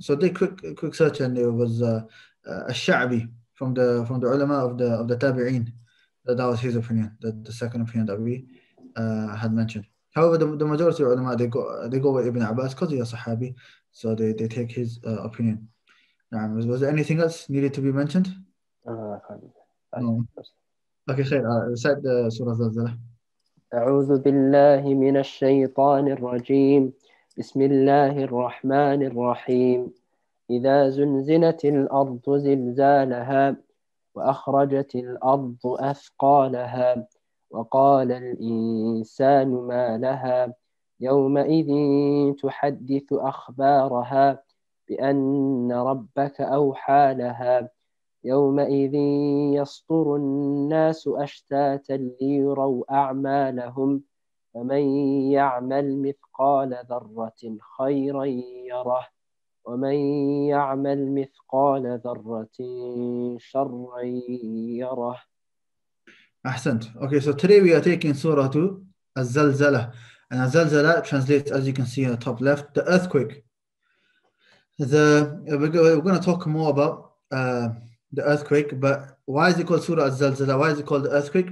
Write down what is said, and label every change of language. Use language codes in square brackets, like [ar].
[en] So they quick search, and it was al-Sha'bi from the ulama of the Tabi'in. That was his opinion. The second opinion that we had mentioned. However, the majority of ulama they go with Ibn Abbas because he's a Sahabi, so they take his opinion. Was there anything else needed to be mentioned? No. Okay, خير. Recite the Surah Zalzala. [ar] أعوذ بالله من الشيطان الرجيم بسم الله الرحمن الرحيم إذا زلزلت الأرض زلزالها وأخرجت الأرض أثقالها وقال الإنسان ما لها يومئذ تحدث أخبارها بأن ربك أوحى لها يومئذ يصدر الناس أشتاتا ليروا أعمالهم فمن يعمل مثقال ذرة خيرا يره ومن يعمل مثقال ذرة شرا يره. [en] Excellent. Okay, so today we are taking Surah to Al-Zalzalah. And Al-Zalzalah translates, as you can see on the top left, the earthquake. We're going to talk more about the earthquake, but why is it called Surah Al-Zalzalah? Why is it called the earthquake?